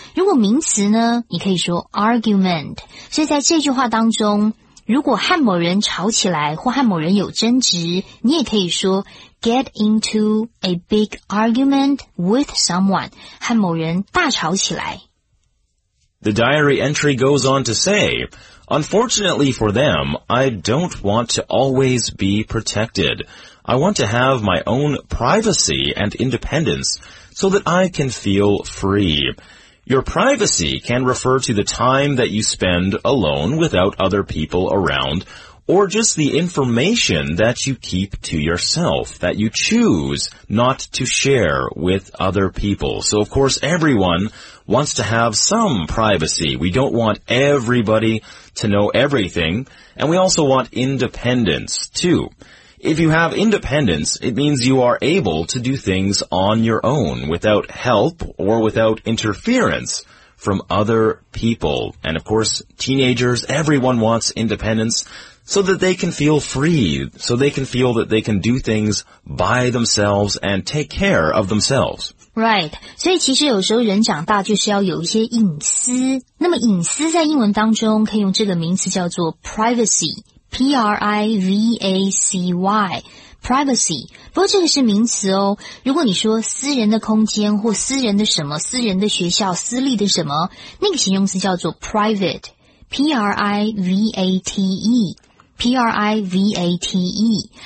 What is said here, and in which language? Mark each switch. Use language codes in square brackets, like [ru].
[zh] 如果名词呢，你可以说 argument. 所以在这句话当中，如果和某人吵起来或和某人有争执，你也可以说 [en] get into a big argument with someone, [zh] 和某人大吵起来。 [en] The diary entry goes on to say, unfortunately for them, I don't want to always be protected. I want to have my own privacy and independence so that I can feel free. Your privacy can refer to the time that you spend alone without other people around,or just the information that you keep to yourself, that you choose not to share with other people. So, of course, everyone wants to have some privacy. We don't want everybody to know everything, and we also want independence, too. If you have independence, it means you are able to do things on your own, without help or without interference from other people. And, of course, teenagers, everyone wants independence,so that they can feel free, so they can feel that they can do things by themselves and take care of themselves. Right. [zh] 所以其实有时候人长大就是要有一些隐私。那么隐私在英文当中可以用这个名词叫做 privacy, P-R-I-V-A-C-Y, privacy. 不过这个是名词哦。如果你说私人的空间或私人的什么、私人的学校、私立的什么，那个形容词叫做 private,P-R-I-V-A-T-E, P-R-I-V-A-T-E.